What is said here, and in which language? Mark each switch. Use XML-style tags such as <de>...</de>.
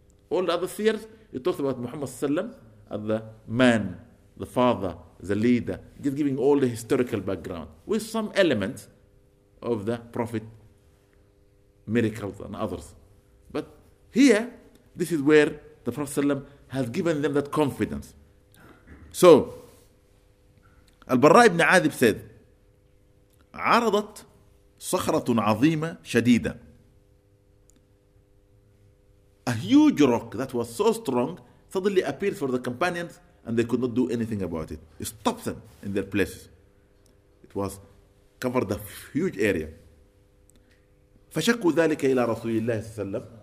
<en>All the other seers, he talks about Muhammad sallam as the man, the father, the leader, just giving all the historical background with some elements of the Prophet miracles and others. But here, this is where the Prophet ﷺ has given them that confidence. So, Al-Barra ibn Azib said,</en> <ar>عرضت صخرة عظيمة شديدة.</ar> <en>A huge rock that was so strong suddenly appeared for the companions and they could not do anything about it. It stopped them in their places. It was covered a huge area.</en> <ar>فَشَكُوا ذَلِكَ إِلَىٰ رَسُولِ اللَّهِ صَلَّى اللَّهُ عَلَيْهِ وَسَلَّمْ.</ar>